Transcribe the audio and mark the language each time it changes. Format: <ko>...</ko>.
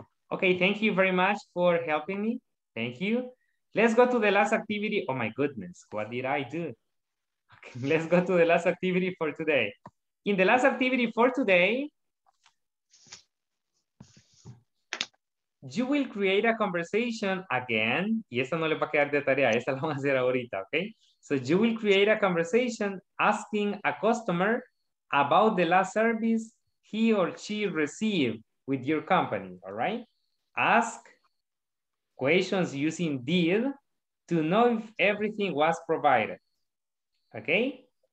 <en>Okay, thank you very much for helping me. Thank you. Let's go to the last activity. Oh my goodness, what did I do? Okay, let's go to the last activity for today. In the last activity for today, you will create a conversation again.</en> <es>Y esta no le va a quedar de tarea, esta la vamos a hacer ahorita, okay?</es> <en>So you will create a conversation asking a customer about the last service he or she received with your company, all right? Ask questions using did to know if everything was provided, okay?</en>